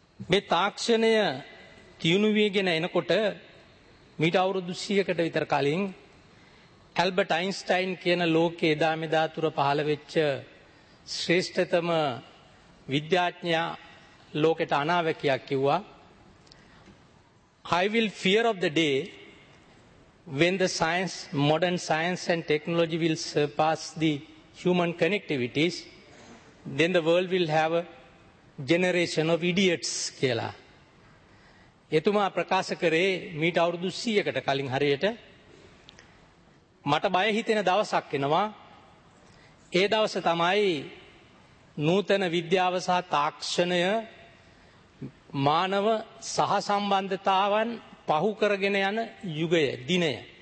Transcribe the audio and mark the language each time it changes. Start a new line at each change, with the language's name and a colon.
Sinhala: මේ තාක්ෂණය තියුණු වීගෙන එනකොට මීට අවුරුදු 100කට විතර කලින් ඇල්බර්ට් අයින්ස්ටයින් කියන ලෝකේ එදා මෙදා තුර පහළ වෙච්ච ශ්‍රේෂ්ඨතම විද්‍යාඥයා ලෝකෙට අනාවැකියක් කිව්වා.
English: I will fear of the day when the science, modern science and technology will surpass the human connectivities, then the world will have a generation of idiots කියලා.
Sinhala: එතුමා ප්‍රකාශ කරේ මීට අවුරුදු 100කට කලින් හරියට. මට බය හිතෙන දවසක් එනවා. ඒ දවස තමයි නූතන විද්‍යාව සහ තාක්ෂණය මානව සහසම්බන්ධතාවන් පහු කරගෙන යන යුගය, දිනය.